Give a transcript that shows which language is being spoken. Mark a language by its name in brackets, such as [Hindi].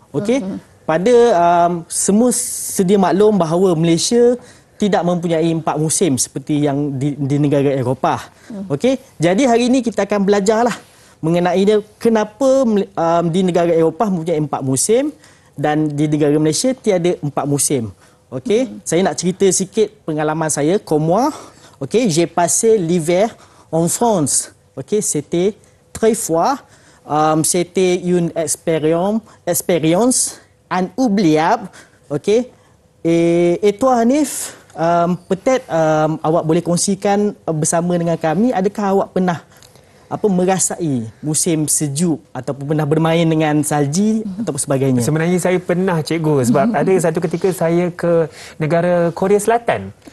[Malay] Okey, pada semua sedia maklum bahawa Malaysia tidak mempunyai 4 musim seperti yang di negara Eropah. Okey, jadi hari ini kita akan belajarlah mengenai dia, kenapa di negara Eropah mempunyai 4 musim dan di negara Malaysia tiada 4 musim. Okey, saya nak cerita sikit pengalaman saya. [French] Comment? Okey, j'ai passé l'hiver en France. Okey, c'était très froid. C'était une expérience inoubliable. Okey. Et toi Hanif, peut-être [Malay] awak boleh kongsikan bersama dengan kami, adakah awak pernah apa merasai musim sejuk ataupun pernah bermain dengan salji ataupun sebagainya? Sebenarnya saya pernah cikgu, sebab ada satu ketika saya ke negara Korea Selatan.